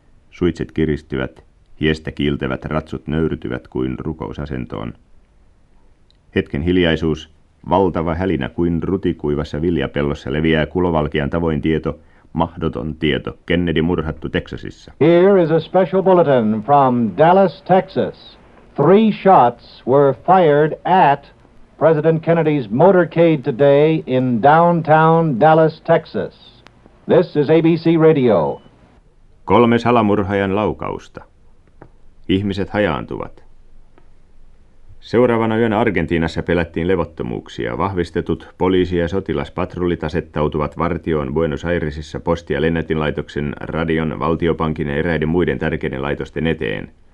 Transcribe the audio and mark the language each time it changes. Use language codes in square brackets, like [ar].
[fi] Suitset kiristyvät, hiestä kiiltävät ratsut nöyrtyvät kuin rukousasentoon. Hetken hiljaisuus, valtava hälinä kuin rutikuivassa viljapellossa leviää kulovalkean tavoin tieto, mahdoton tieto, Kennedy murhattu Texasissa. [en] Here is a special bulletin from Dallas, Texas. 3 shots were fired at President Kennedy's motorcade today in downtown Dallas, Texas. This is ABC Radio. [fi] 3 salamurhaajan laukausta. Ihmiset hajaantuvat. Seuraavana yönä Argentiinassa pelättiin levottomuuksia. Vahvistetut poliisi- ja sotilaspatrullit asettautuvat vartioon Buenos Airesissa posti- ja lennätinlaitoksen, radion, valtiopankin ja eräiden muiden tärkeiden laitosten eteen.